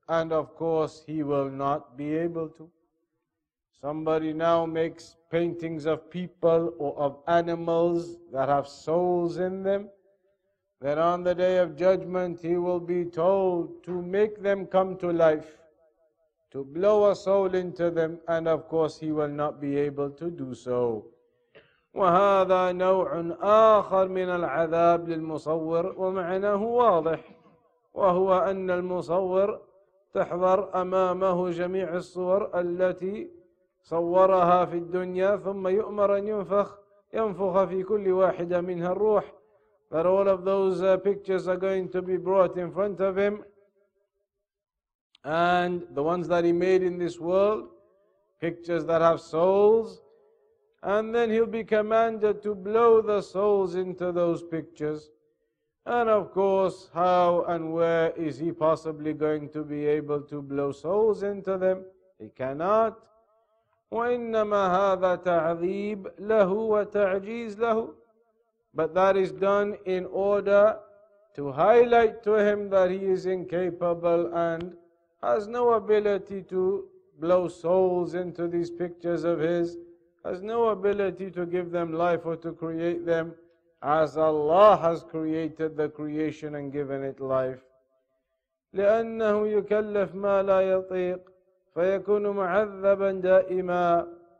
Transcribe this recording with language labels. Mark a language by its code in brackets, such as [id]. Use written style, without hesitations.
[en] And of course, he will not be able to. Somebody now makes paintings of people or of animals that have souls in them. Then on the day of judgment, he will be told to make them come to life, to blow a soul into them, and of course he will not be able to do so. [ar] وَهَذَا نَوْعٌ آخَرٌ مِنَ الْعَذَابِ لِلْمُصَوِّرِ وَمَعْنَاهُ وَاضِحٌ وَهُوَ أَنَّ الْمُصَوِّرَ تَحْضَرْ أَمَامَهُ جَمِيعُ الصُّوَرِ الَّتِي صورها في الدنيا ثم يؤمر أن ينفخ في كل واحدة منها الروح. [en] That all of those pictures are going to be brought in front of him, and the ones that he made in this world, pictures that have souls, and then he'll be commanded to blow the souls into those pictures. And of course, how and where is he possibly going to be able to blow souls into them? He cannot. [ar] وإنما هذا تعذيب له وتعجيز له. [en] But that is done in order to highlight to him that he is incapable and has no ability to blow souls into these pictures of his, has no ability to give them life or to create them, as Allah has created the creation and given it life. [ar] لأنه يكلف ما لا يطيق فيكون معذبا دائما.